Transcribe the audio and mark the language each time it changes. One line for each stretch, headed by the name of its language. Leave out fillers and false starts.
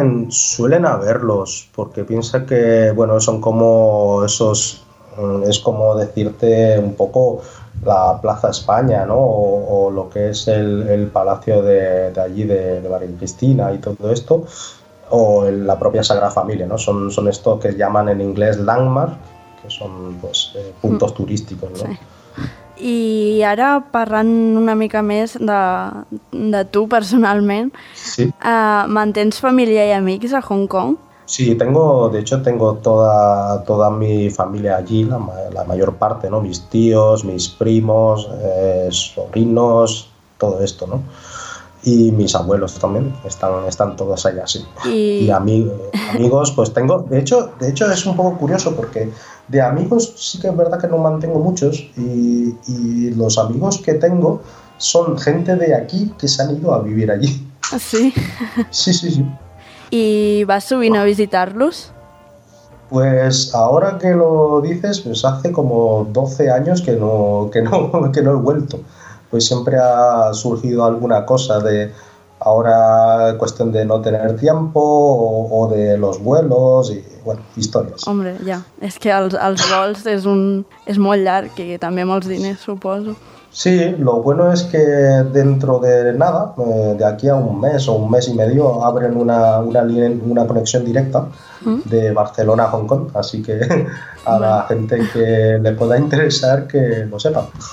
Spanish: Suelen haberlos, porque piensa que, bueno, son como esos, es como decirte un poco la Plaza España, ¿no? O lo que es el palacio de allí, de María Cristina y todo esto, o la propia Sagrada Familia, ¿no? Son esto que llaman en inglés landmark, que son, pues, puntos turísticos, ¿no? Sí.
Catalan: I ara, parlant una mica més de tu personalment, sí. ¿Mantens família i amics a Hong Kong?
Spanish: Sí, tengo toda mi familia allí, la mayor parte, ¿no? Mis tíos, mis primos, sobrinos, todo esto, ¿no? Y mis abuelos también, están todos allá, sí. Y amigos, pues tengo, de hecho es un poco curioso porque de amigos sí que es verdad que no mantengo muchos, y los amigos que tengo son gente de aquí que se han ido a vivir allí. ¿Sí? Sí, sí, sí. ¿Y vas subiendo a visitarlos? Pues ahora que lo dices, pues hace como 12 años que no he vuelto. Pues siempre ha surgido alguna cosa de ahora cuestión de no tener tiempo o de los vuelos y, bueno, històries.
Catalan: Hombre, ja, és que els vols és molt llarg i també molts diners, suposo.
Spanish: Sí, lo bueno es que dentro de nada, de aquí a un mes o un mes y medio, abren una conexión directa de Barcelona a Hong Kong, así que a la gente que le pueda interesar que lo sepa.